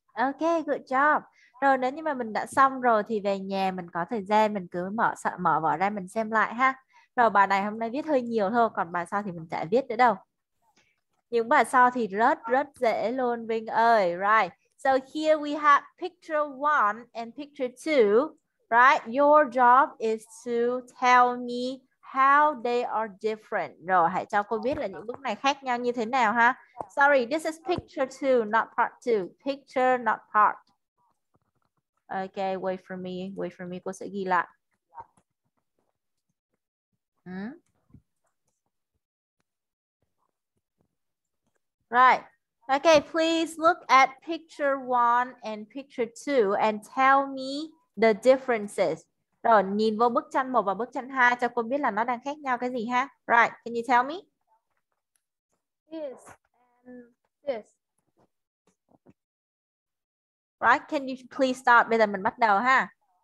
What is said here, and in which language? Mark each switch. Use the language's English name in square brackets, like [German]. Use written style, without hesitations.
[English] Okay, good job. [Vietnamese] Rồi nếu như mà mình đã xong rồi thì về nhà mình có thời gian mình cứ mở vở ra mình xem lại ha. Rồi bài này hôm nay viết hơi nhiều thôi, còn bài sau thì mình chả viết nữa đâu. Những bài sau thì rất rất dễ luôn Vinh ơi. [English] Right. So here we have picture 1 and picture 2. Right, your job is to tell me how they are different. [Vietnamese] Rồi hãy cho cô biết là những bức này khác nhau như thế nào ha. [English] Sorry, this is picture 2, not part 2. Picture, not part. Okay, wait for me. Wait for me. [Vietnamese] Cô sẽ ghi lại. [English] Right. Okay, please look at picture 1 and picture 2 and tell me the differences. [Vietnamese] Rồi, nhìn vô bức tranh 1 và bức tranh 2 cho cô biết là nó đang khác nhau cái gì ha. [English] Right, can you tell me? Yes. This. Right, can you please start? [Vietnamese] Bây giờ mình bắt đầu ha.